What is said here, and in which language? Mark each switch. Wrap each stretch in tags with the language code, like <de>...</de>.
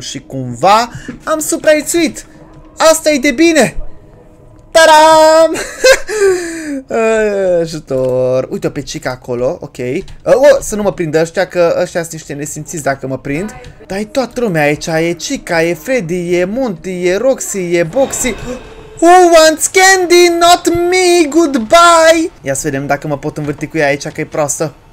<ro>Și cumva am supraviețuit. Asta e de bine! Taram! Ajutor! Uite-o pe Chica acolo, ok. Să nu mă prindă ăștia, că ăștia sunt niște nesimțiți dacă mă prind. Dar e toată lumea aici, e Chica, e Freddy, e Monty, e Roxy, e Boxy.</ro> <en>Who wants candy, not me, goodbye!</en> <ro>Ia să vedem dacă mă pot învârti cu ea aici, că e proastă.</ro>